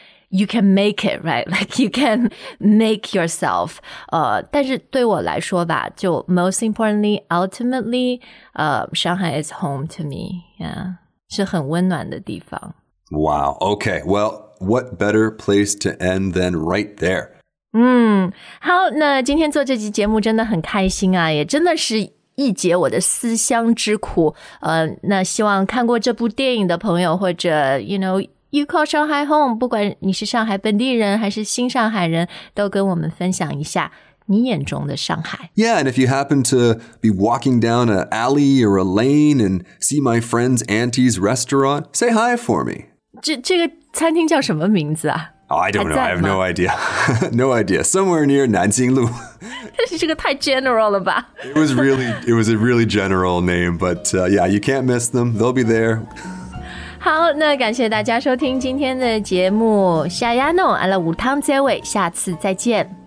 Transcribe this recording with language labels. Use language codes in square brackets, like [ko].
[en] you can make it, right? Like you can make yourself. [zh] 但是对我来说吧，就 [en] most importantly, ultimately, Shanghai is home to me. [zh] Yeah, 是很温暖的地方。 [en] Wow. Okay. Well, what better place to end than right there? [zh] 好，那今天做这期节目真的很开心啊，也真的是一解我的思乡之苦。那希望看过这部电影的朋友或者 [en] you know, you call Shanghai home, [zh] 不管你是上海本地人还是新上海人，都跟我们分享一下你眼中的上海。 [en] Yeah, and if you happen to be walking down an alley or a lane and see my friend's auntie's restaurant, say hi for me. [zh] 这个餐厅叫什么名字啊？ [en] Oh, I don't know. I have no idea. No idea. Somewhere near Nanjing Lu. [zh] 这个太 general 了吧。 [en] It was a really general name, but yeah, you can't miss them. They'll be there. [zh] 好，那感谢大家收听今天的节目。下亚诺，阿拉无汤结尾，下次再见。